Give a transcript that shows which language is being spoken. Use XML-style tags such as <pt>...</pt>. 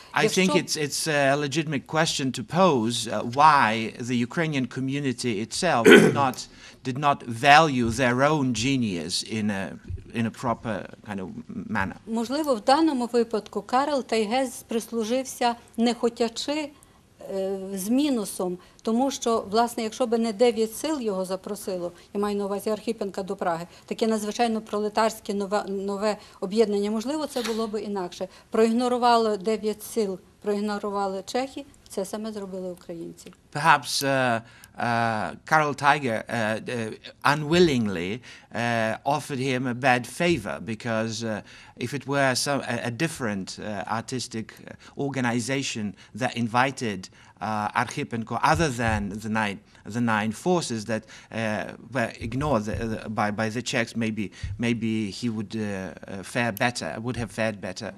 <en>I think it's a legitimate question to pose why the Ukrainian community itself did not value their own genius in a proper kind of manner.</en> <uk>Можливо, в даному випадку Карл Тайгез прислужився не хотячи з мінусом, тому що, власне, якщо б не дев'ять сил його запросило, я маю на увазі Архіпенка до Праги, таке надзвичайно пролетарське нове об'єднання, можливо, це було б інакше. Проігнорували дев'ять сил, проігнорували Чехи, Це саме зробили українці.</uk> <en>Perhaps Carl Tiger unwillingly offered him a bad favor, because if it were a different artistic organization that invited Archipenko other than the nine forces that were ignored by the Czechs, maybe he would have fared better.</en>